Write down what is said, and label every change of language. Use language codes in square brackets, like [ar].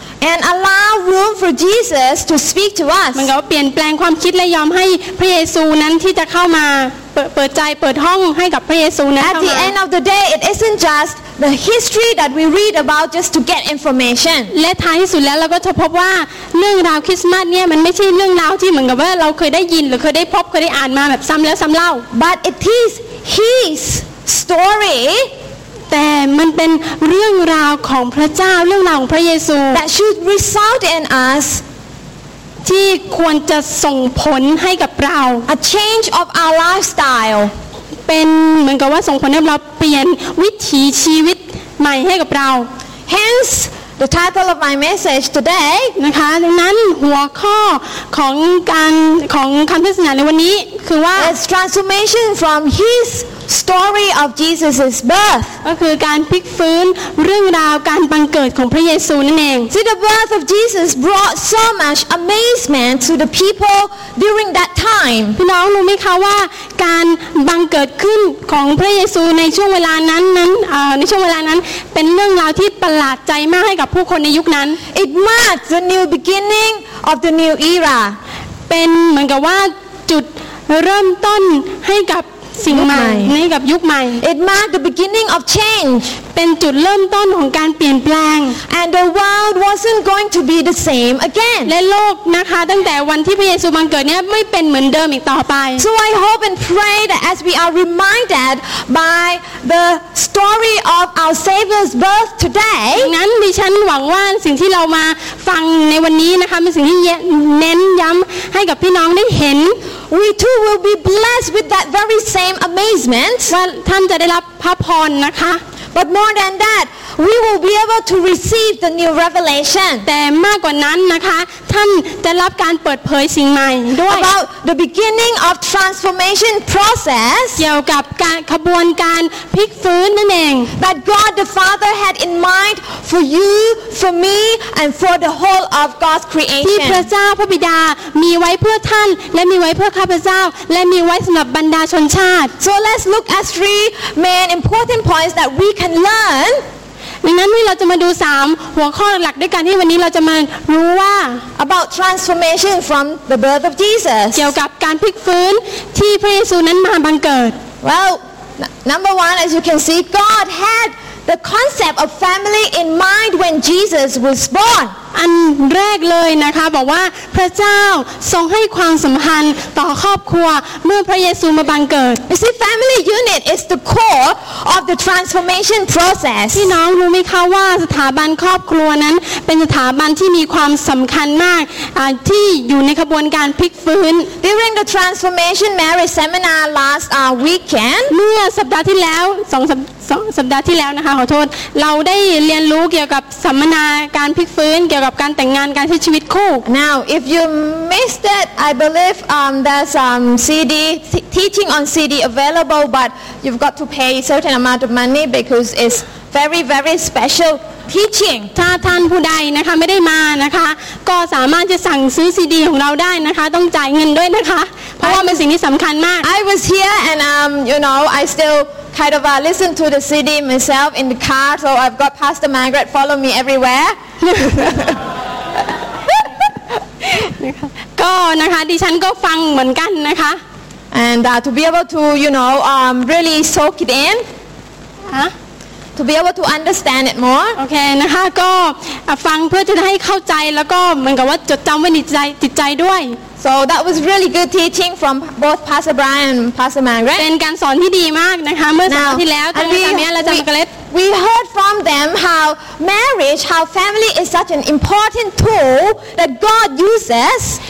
[en] and allow room for Jesus to speak to us [th] มันก็เปลี่ยนแปลงความคิดและยอมให้พระเยซูนั้นที่จะเข้ามาเปิดใจเปิดห้องให้กับพระเยซูนั้นเข้ามา [en] At the end of the day it isn't just the history that we read about just to get information [th] และท้ายสุดแล้วเราก็จะพบว่าเรื่องราวคริสต์มาสเนี่ยมันไม่ใช่เรื่องราวที่เหมือนกับว่าเราเคยได้ยินหรือเคยได้พบเคยได้อ่านมาแบบซ้ำแล้วซ้ำเล่า [en] but it is his story [th] แต่มันเป็นเรื่องราวของพระเจ้าเรื่องราวของพระเยซู [en] That should result in us [th] ที่ควรจะส่งผลให้กับเรา [en] A change of our lifestyle [th] เป็นเหมือนกับว่าส่งผลให้เราเปลี่ยนวิถีชีวิตใหม่ให้กับเรา [en] Hence the title of my message today [th] นะคะดังนั้นหัวข้อของการของคำเทศนาในวันนี้คือว่า [en] It's transformation from hisstory of Jesus's birth [th] ก็คือการพลิกฟื้นเรื่องราวการบังเกิดของพระเยซูนั่นเอง [en] See, the birth of Jesus brought so much amazement to the people during that time [th] พี่น้องรู้ไหมคะว่าการบังเกิดขึ้นของพระเยซูในช่วงเวลานั้นในช่วงเวลานั้นเป็นเรื่องราวที่ประหลาดใจมากให้กับผู้คนในยุคนั้น [en] It marked the new beginning of the new era [th] เป็นเหมือนกับว่าจุดเริ่มต้นให้กับสิ่งใหม่ในกับยุคใหม่ [en] It marked the beginning of change [th] เป็นจุดเริ่มต้นของการเปลี่ยนแปลง [en] And the world wasn't going to be the same again [th] และโลกนะคะตั้งแต่วันที่พระเยซูบังเกิดเนี่ยไม่เป็นเหมือนเดิมอีกต่อไป [en] So I hope and pray that as we are reminded by the story of our Savior's birth today [th] งั้นดิฉันหวังว่าสิ่งที่เรามาฟังในวันนี้นะคะเป็นสิ่งที่เน้นย้ำให้กับพี่น้องได้เห็น [en] We too will be blessed with that very same amazement. [th] Well, ท่านจะได้รับพระพรนะคะ [en] But more than that, we will be able to receive the new revelation. [th] แต่มากกว่านั้นนะคะท่านจะรับการเปิดเผยสิ่งใหม่ด้วย [en] About the beginning of transformation process. [th] เกี่ยวกับการขบวนการพลิกฟื้นนั่นเอง [en] That God the Father had in mind for you, for me, and for the whole of God's creation. [th] ที่พระเจ้าพระบิดามีไว้เพื่อท่านและมีไว้เพื่อข้าพเจ้าและมีไว้สำหรับบรรดาชนชาติ [en] So let's look at three main important points that we can learn. [th] ดังนั้นเราจะมาดู3หัวข้อหลักด้วยกันที่วันนี้เราจะมารู้ว่า [en] about transformation from the birth of Jesus. [th] เกี่ยวกับการพลิกฟื้นที่พระเยซูนั้นมาบังเกิด [en] Well, number one, as you can see, God had the concept of family in mind when Jesus was born. [th] อันแรกเลยนะคะบอกว่าพระเจ้าทรงให้ความสัมพันธ์ต่อครอบครัวเมื่อพระเยซูมาบังเกิด [en] The family unit is the core of the transformation process [th] พี่น้องรู้ไหมคะว่าสถาบันครอบครัวนั้นเป็นสถาบันที่มีความสำคัญมากที่อยู่ในขบวนการพลิกฟื้น [en] During the transformation marriage seminar last weekend [th] เมื่อสัปดาห์ที่แล้ว2สัปดาห์ที่แล้วนะคะขอโทษเราได้เรียนรู้เกี่ยวกับสัมมนาการพลิกฟื้นกับการแต่งงานการใช้ชีวิตคู่ [en] Now if you missed it I believe there's some CD teaching on CD available but you've got to pay certain amount of money because it's very very special teaching [th] ถ้าท่านผู้ใดนะคะไม่ได้มานะคะก็สามารถจะสั่งซื้อ CD ของเราได้นะคะต้องจ่ายเงินด้วยนะคะเพราะว่าเป็นสิ่งที่สำคัญมาก [en] I was here and you know I stillKind of listen to the CD myself in the car, so I've got Pastor Margaret follow me everywhere. [th] ก็นะคะดิฉันก็ฟังเหมือนกันนะคะ [en] And to be able to you know really soak it in, to be able to understand it more. [th] Okay, นะคะก็ฟังเพื่อจะให้เข้าใจแล้วก็เหมือนกับว่าจดจำไว้ในใจจิตใจด้วย [en] So that was really good teaching from both Pastor Brian and Pastor Margaret. [th] เป็นการสอนที่ดีมากนะคะเมื่อสัปดาห์ที่แล้วตรงนี้เนี่ยเราจะมากระเล็ด [en] We heard from them how marriage, how family is such an important tool that God uses.